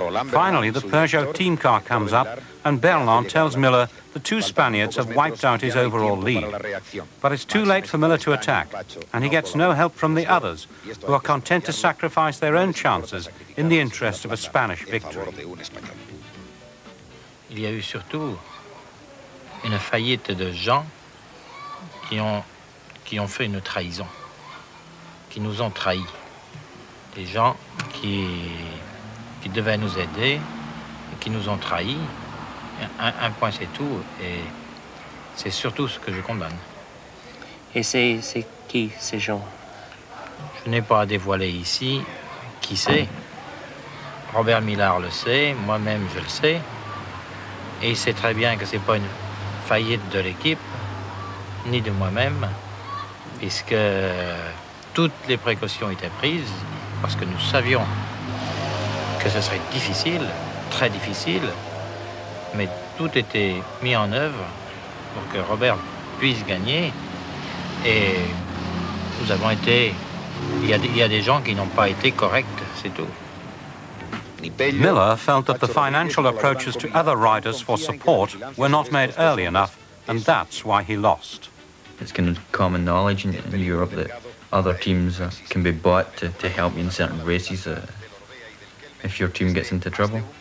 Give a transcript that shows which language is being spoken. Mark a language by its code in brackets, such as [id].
[en] Finally, the Peugeot team car comes up, and Bernard tells Miller the two Spaniards have wiped out his overall lead. But it's too late for Miller to attack, and he gets no help from the others, who are content to sacrifice their own chances in the interest of a Spanish victory. [fr] Il y a eu surtout une faillite de gens qui ont fait une trahison, qui nous ont trahis. Des gens qui devaient nous aider, qui nous ont trahis. Un point, c'est tout, et c'est surtout ce que je condamne. Et c'est qui, ces gens? Je n'ai pas à dévoiler ici qui c'est. Robert Millar le sait, moi-même je le sais, et il sait très bien que c'est pas une faillite de l'équipe, ni de moi-même, puisque toutes les précautions étaient prises, parce que nous savions que ce serait difficile, très difficile, mais tout était mis en œuvre pour que Robert puisse gagner. Et nous avons été... Il y a des gens qui n'ont pas été corrects, c'est tout. [en] Miller felt that the financial approaches to other riders for support were not made early enough, and that's why he lost. It's kind of common knowledge in Europe that other teams can be bought to help you in certain races if your team gets into trouble.